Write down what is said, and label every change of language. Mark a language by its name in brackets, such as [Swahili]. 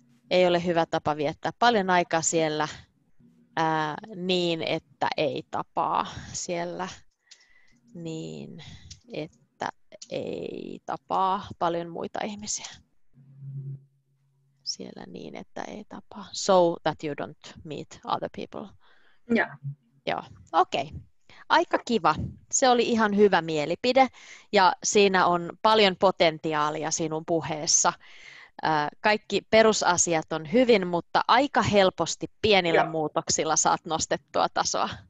[Finnish] Ei ole hyvä tapa viettää paljon aikaa siellä niin, että ei tapaa siellä niin, että ei tapaa paljon muita ihmisiä. Siellä niin, että ei tapaa. [English] So that you don't meet other people. Yeah. [Finnish] Joo. Okei. Okay. Aika kiva. Se oli ihan hyvä mielipide. Ja siinä on paljon potentiaalia sinun puheessa. Kaikki perusasiat on hyvin, mutta aika helposti pienillä muutoksilla saat nostettua tasoa.